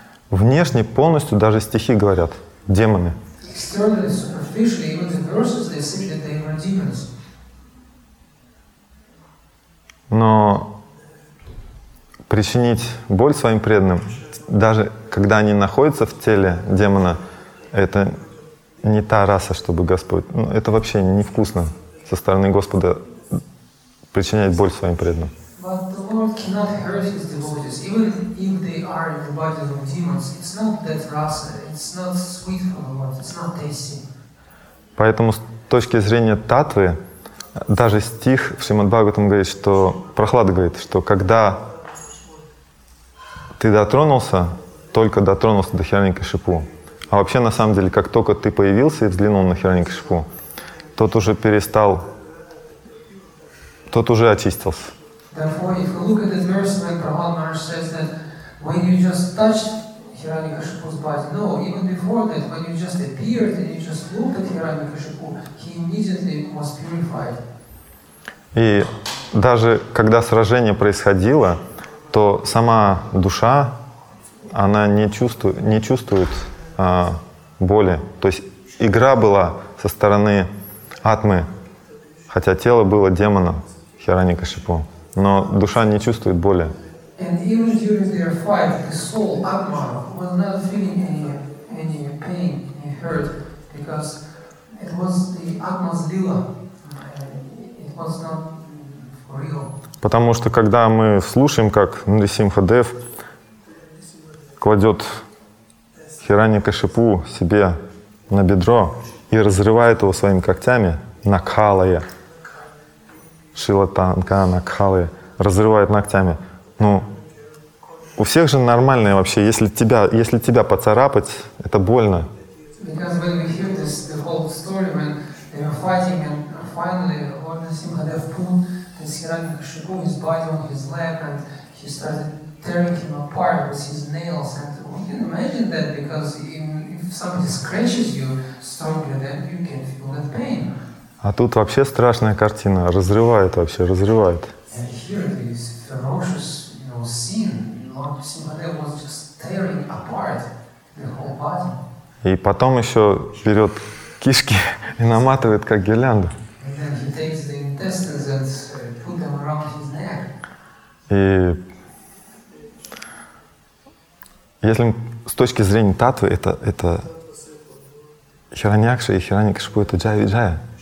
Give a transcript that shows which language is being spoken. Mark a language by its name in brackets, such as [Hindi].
[Russian] Внешне полностью даже стихи говорят демоны. [English] Externally, superficially, even the verses they say that they are demons. [Russian] Но причинить боль своим преданным, даже когда они находятся в теле демона, это не та раса, чтобы Господь. Ну, это вообще невкусно со стороны Господа причинять боль своим преданным. [English] But the Lord cannot hurt his devotees, even if they are in the bodies of demons. It's not that rasa, it's not sweet for the Lord, it's not tasty. [Russian] Поэтому с точки зрения татвы, даже стих в Шримад-Бхагаватам говорит, что Прохлад говорит, что когда ты дотронулся, только дотронулся до Хираньякашипу. А вообще на самом деле, как только ты появился и взглянул на Хираньякашипу, тот уже перестал, тот уже очистился. [English] Therefore, if you look at that verse when Prahlad Maharaj says that when you just touched Hiranyakashipu's body, no, even before that, when you just appeared and you just looked at Hiranyakashipu, he immediately was purified. [Russian] И даже когда сражение происходило, то сама душа, она не чувствует боли. То есть игра была со стороны атмы, хотя тело было демоном Хиранякашипу. Но душа не чувствует боли. [English] And even during their fight, the soul, Atma, was not feeling any pain, any hurt, because it was the Atma's lila. It was not real. [Russian] Потому что когда мы слушаем, как Нрисимха Дев кладет Хираньякашипу себе на бедро и разрывает его своими когтями, Накхалая, Шилатанка Накхалая, разрывает ногтями. Ну, у всех же нормальное вообще, если тебя поцарапать, это больно. [English] Because when we hear this, the whole story, when they were fighting, and finally Lord Nrisimhadev put this Hiranyakashipu, his body on his leg, and he started tearing him apart with his nails. And you can imagine that, because if somebody scratches you stronger, then you can feel that pain. [Russian] А тут вообще страшная картина, разрывает вообще, разрывает. [English] And here this ferocious, you know, scene, Lord Nrisimhadev was just tearing apart the whole body. [Russian] И потом еще берет кишки и наматывает как гирлянду. [English] And then he takes the intestines and put them around his neck. [Russian] И Если с точки зрения татвы, это Хираньякша и Хираньякшипу — это джая и джая.